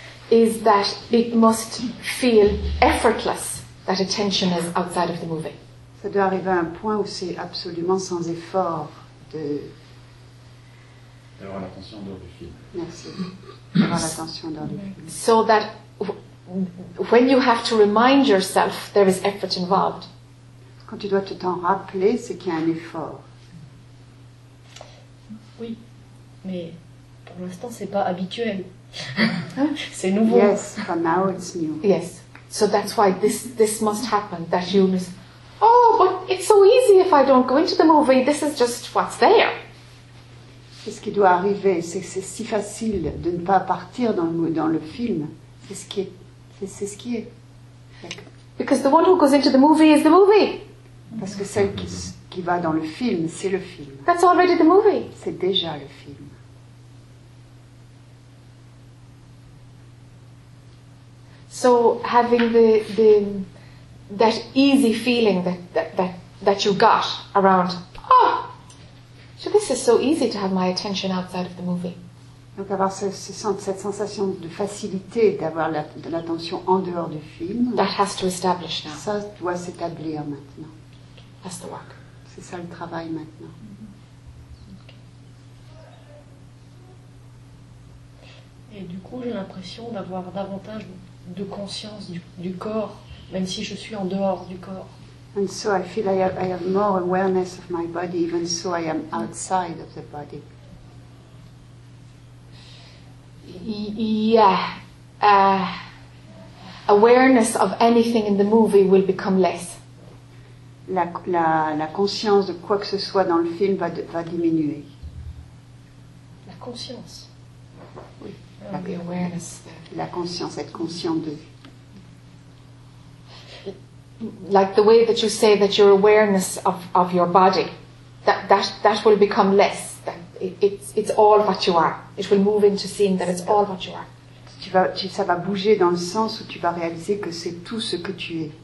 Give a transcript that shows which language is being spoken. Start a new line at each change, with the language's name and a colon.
English: is that it must feel effortless that attention is outside of the movie.
French: Ça doit arriver à un point où c'est absolument sans effort de. D'avoir l'attention dans le film. Merci. D'avoir l'attention dans le film.
English: So that when you have to remind yourself, there is effort involved.
French: Quand tu dois te t'en rappeler, c'est qu'il y a un effort. Oui, mais pour l'instant, c'est pas habituel. C'est nouveau.
English: Yes, for now it's new. Yes, so that's why this must happen, that you must, oh, but it's so easy if I don't go into the movie, this is just what's there.
French: C'est ce qui doit arriver, c'est si facile de ne pas partir dans le film, c'est ce qui est.
English: Because the one who goes into the movie is the movie.
French: Parce que celle qui va dans le film, c'est le film.
English: That's already the movie.
French: C'est déjà le film.
English: So having that easy feeling that you got around, oh, so this is so easy to have my attention outside of the movie.
French: Donc avoir cette sensation de facilité d'avoir l'attention en dehors du film.
English: That has to establish now.
French: Ça doit s'établir maintenant.
English: That's the work.
French: C'est ça le travail maintenant. Mm-hmm. Okay. Et du coup, j'ai l'impression d'avoir davantage de conscience du corps, même si je suis en dehors du corps.
English: And so I feel I have more awareness of my body, even so I am outside of the body. Yeah. Awareness of anything in the movie will become less.
French: La conscience de quoi que ce soit dans le film va diminuer. La conscience. Oui.
English: The awareness.
French: La conscience, être conscient de.
English: Like the way that you say that your awareness of your body, that will become less. It's all what you are. It will move into seeing that it's all what you are.
French: Ça va bouger dans le sens où tu vas réaliser que c'est tout ce que tu es.